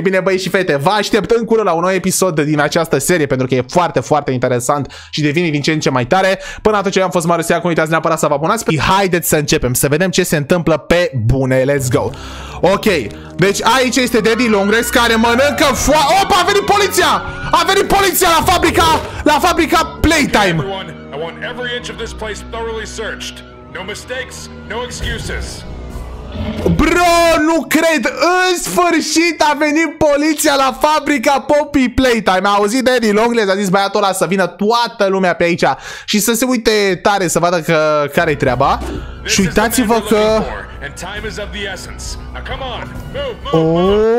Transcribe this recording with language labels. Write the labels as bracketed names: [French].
[Romanian] E bine, băie și fete, vă aștept în curând la un nou episod din această serie, pentru că e foarte, foarte interesant și devine din ce în ce mai tare. Până atunci, eu am fost Marius, acum uitați neapărat să vă abonați. Haideți să începem, să vedem ce se întâmplă pe bune. [English] Let's go! [Romanian] Ok, deci aici este Daddy Longlegs care mănâncă foarte... Opa, a venit poliția! A venit poliția la fabrica! La fabrica Playtime! [English] I want every inch of this place thoroughly searched. No mistakes, no excuses. [Romanian] Bro, nu cred! În sfârșit a venit poliția la fabrica Poppy Playtime. A auzit Daddy Longlegs, a zis băiatul ăla să vină toată lumea pe aici și să se uite tare, să vadă că care-i treaba. Și uitați-vă că... [English] And time is of the essence. Now come on. Move.